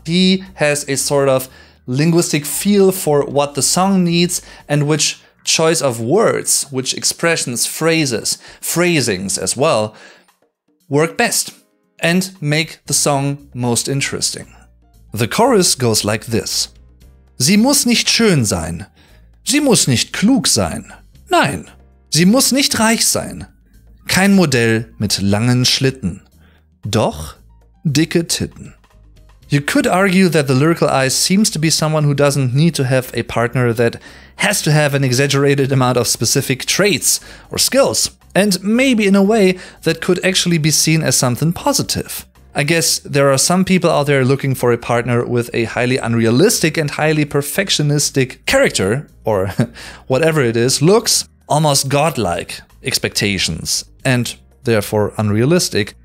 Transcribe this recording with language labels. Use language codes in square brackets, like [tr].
[en] He has a sort of linguistic feel for what the song needs and which choice of words, which expressions, phrases, phrasings as well, work best and make the song most interesting. The chorus goes like this. [de] Sie muss nicht schön sein. Sie muss nicht klug sein. Nein. Sie muss nicht reich sein. Kein Modell mit langen Schlitten. Doch dicke Titten. [en] You could argue that the lyrical I seems to be someone who doesn't need to have a partner that has to have an exaggerated amount of specific traits or skills. And maybe in a way that could actually be seen as something positive. I guess there are some people out there looking for a partner with a highly unrealistic and highly perfectionistic character, or whatever it is, looks, almost godlike expectations, and therefore unrealistic.